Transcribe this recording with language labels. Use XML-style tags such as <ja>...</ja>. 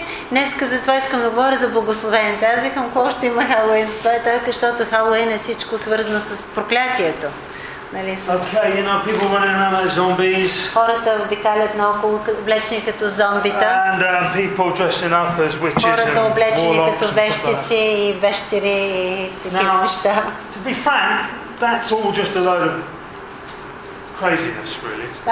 <bg>Днеска за това искам да говоря за благословението. Аз викам какво ще има Халоуин за това и така, защото Халоуин е всичко свързано с проклятието. Нали, с...</bg> <en>Okay, you know, people running around like zombies.</en> <bg>Хората обикалят наоколо облечени като зомбита.</bg> <en>And, people dressing up as witches and</en> <bg>хората облечени</bg> <en>warlocks,</en> <bg>като вещици и вещери и такива неща.</bg> <en>To be frank, that's all just a load of craziness, really.</en>